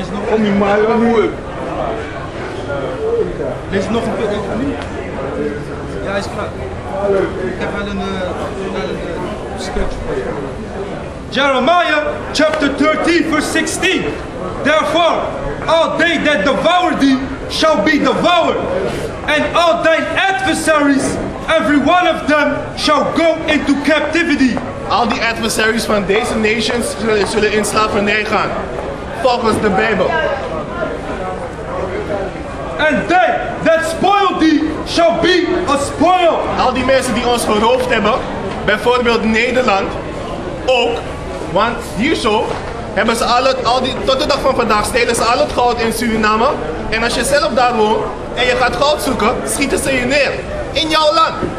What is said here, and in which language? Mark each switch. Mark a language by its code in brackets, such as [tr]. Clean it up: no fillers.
[nl] Kom niet maar, wat moet ik? Lees nog een keer. Ja, hij is klaar. Ik heb wel een sketch voor je. [en] Jeremiah chapter 13 verse 16. Therefore, all they that devour thee shall be devoured. And all thine adversaries, every one of them, shall go into captivity. [nl] Al die adversaries van deze nations zullen in slavernij gaan. Volgens de Bijbel. [en] And they that spoil thee shall be a spoil. [nl] Al die mensen die ons geroofd hebben, bijvoorbeeld Nederland, ook, want hierzo hebben ze tot de dag van vandaag stelen ze al het goud in Suriname. En als je zelf daar woont en je gaat goud zoeken, schieten ze je neer. In jouw land.